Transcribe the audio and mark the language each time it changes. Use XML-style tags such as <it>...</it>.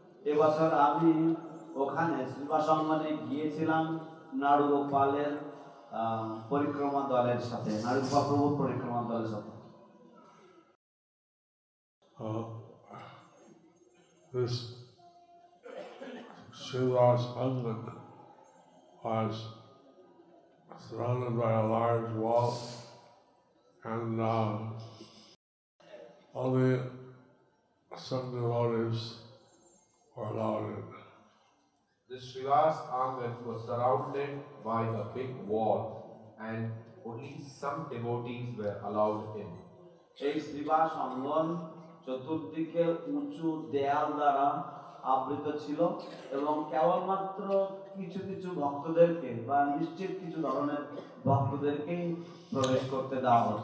<bn>এবছর আমি ওখানে শ্রীবাসঙ্গনে গিয়েছিলাম নাড়ু গোপালের পরিক্রমা দলের সাথে নাড়ু গোপাল প্রভুর পরিক্রমা দলের সাথে</bn> <en>This Siddharth's Angan was surrounded by a large wall and all the sun devotees were allowed in. The Srivas Angan was surrounded by a big wall and only some devotees were allowed in.</en> <bn>এই শ্রীবাস অঙ্গন চতুর্দিকে উঁচু দেয়াল দ্বারা আবৃত ছিল এবং কেবলমাত্র কিছু কিছু ভক্তদেরকে বা নিশ্চিত কিছু ধরনের ভক্তদেরকে প্রবেশ করতে দেওয়া</bn>